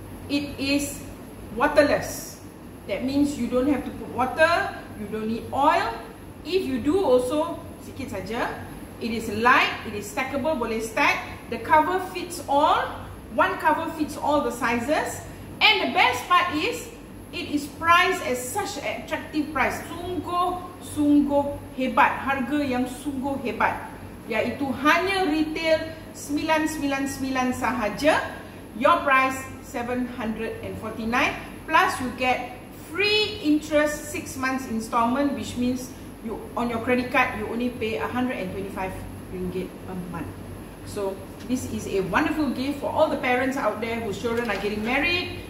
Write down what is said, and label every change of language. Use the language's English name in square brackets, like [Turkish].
[English] It is waterless. That means you don't have to put water, you don't need oil. If you do also, sikit saja, it is light, it is stackable, [Malay] boleh stack. [English] The cover fits all, one cover fits all the sizes. And the best part is, it is priced at such an attractive price. [Malay] Sungguh hebat, harga yang sungguh hebat. Iaitu hanya retail RM999 sahaja. [English] Your price RM749, plus you get free interest 6 months installment, which means you on your credit card you only pay RM125 a month. So this is a wonderful gift for all the parents out there whose children are getting married.